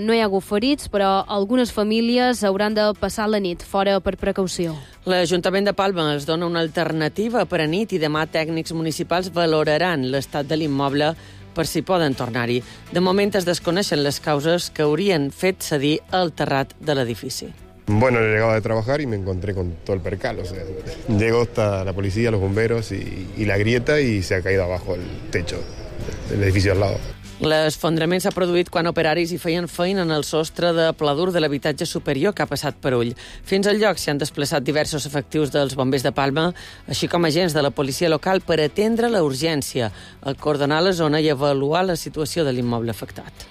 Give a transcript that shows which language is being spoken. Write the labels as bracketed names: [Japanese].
[Catalan] No hi ha hagut ferits, però algunes famílies hauran de passar la nit fora per precaució. L'Ajuntament de Palma es dona una alternativa per a nit i demà tècnics municipals valoraran l'estat de l'immoble per si poden tornar-hi. De moment es desconeixen les causes que haurien fet cedir el terrat de l'edifici. [Spanish] Bueno, he llegado de trabajar y me encontré con todo el percal. O sea, llegó hasta la policía, los bomberos y la grieta y se ha caído abajo el techo del edificio al lado. [Catalan] L'esfondrament s'ha produït quan operaris hi feien feina en el sostre de pladur de l'habitatge superior que ha passat per ull. Fins al lloc s'hi han desplaçat diversos efectius dels bombers de Palma, així com agents de la policia local per atendre la urgència, acordonar la zona i avaluar la situació de l'immoble afectat.